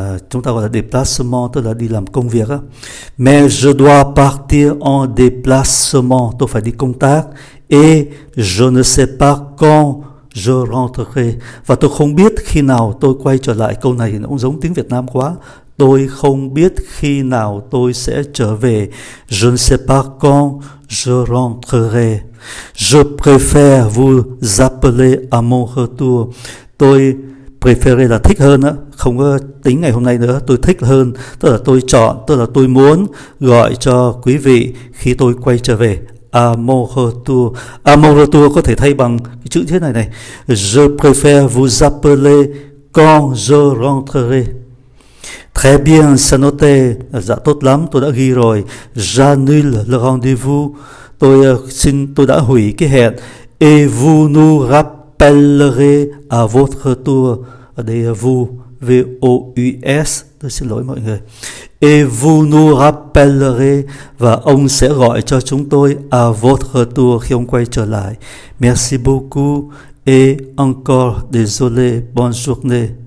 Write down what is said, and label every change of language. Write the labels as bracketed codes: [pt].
[vi] Chúng ta gọi là déplacement, tức là đi làm công việc. [fr] Mais je dois partir en déplacement, [vi] tôi phải đi công tác. [fr] Et je ne sais pas quand je rentrerai, [vi] và tôi không biết khi nào tôi quay trở lại. Câu này cũng giống tiếng Việt Nam quá. Tôi không biết khi nào tôi sẽ trở về. [fr] Je ne sais pas quand je rentrerai. Je préfère vous appeler à mon retour. [vi] Tôi préféré là thích hơn á, không có tính ngày hôm nay nữa, tôi thích hơn, tức là tôi chọn, tức là tôi muốn gọi cho quý vị khi tôi quay trở về. [fr] À mon retour. À mon retour [vi] có thể thay bằng cái chữ thế này này. [fr] Je préfère vous appeler quand je rentrerai. Très bien, ça noté. [vi] Dạ tốt lắm, tôi đã ghi rồi. [fr] J'annule le rendez-vous. [vi] Tôi đã hủy cái hẹn. [fr] Et vous nous rappellerez à votre tour. [vi] Ở đây vous, VOUS. Tôi xin lỗi mọi người. [fr] Et vous nous rappellerez, [vi] và ông sẽ gọi cho chúng tôi [fr] à votre tour [vi] khi ông quay trở lại. [fr] Merci beaucoup et encore désolé, bonne journée.